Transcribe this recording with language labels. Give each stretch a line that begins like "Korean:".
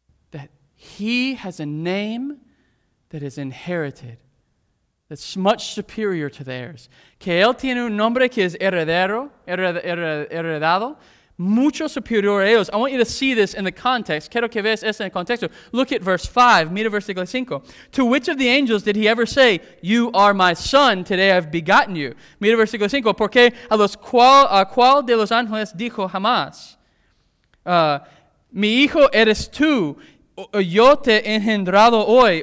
English: That he has a name that is inherited. That's much superior to theirs.
Spanish: Que él tiene un nombre que es heredado. Mucho superior a ellos.
English: I want you to see this in the context.
Spanish: Quiero que veas esto en el contexto.
English: Look at verse 5.
Spanish: Mira versículo 5.
English: To which of the angels did he ever say, "You are my son, today I've begotten you"?
Spanish: Mira versículo 5. Porque a los cual de los ángeles dijo jamás, mi hijo eres tú, yo te he engendrado hoy.